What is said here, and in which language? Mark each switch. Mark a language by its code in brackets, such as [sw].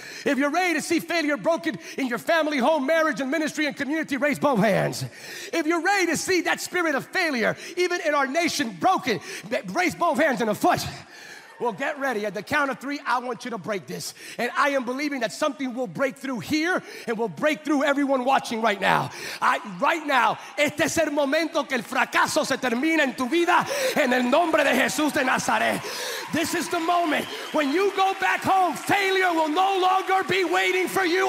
[en] If you're ready to see failure broken in your family, home, marriage, and ministry, and community, raise both hands. If you're ready to see that spirit of failure, even in our nation, broken, raise both hands and a foot. Well, get ready. At the count of three, I want you to break this. And I am believing that something will break through here and will break through everyone watching right now. Right now, [es] este es el momento que el fracaso se termina en tu vida en el nombre de Jesús de Nazaret. [en] This is the moment when you go back home, failure will no longer be waiting for you.